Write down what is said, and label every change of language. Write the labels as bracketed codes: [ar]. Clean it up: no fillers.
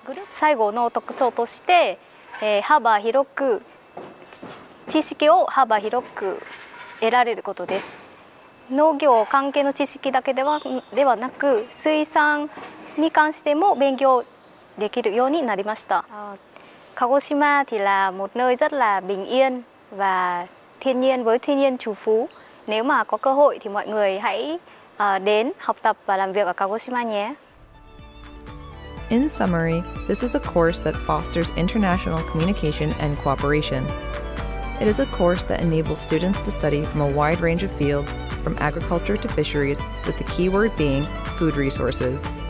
[ja] 最後の特徴として、幅広く知識を幅広く得られることです。農業関係の知識だけではなく水産に関しても勉強できるようになりました。 [vi] 鹿児島 thì là một nơi rất là bình yên và thiên nhiên với thiên nhiên chủ phú. Nếu mà có cơ hội thì mọi người hãy đến học tập và làm việc ở Kagoshima nhé. [en] In summary, this is a course that fosters international communication and cooperation. It is a course that enables students to study from a wide range of fields, from agriculture to fisheries, with the keyword being food resources.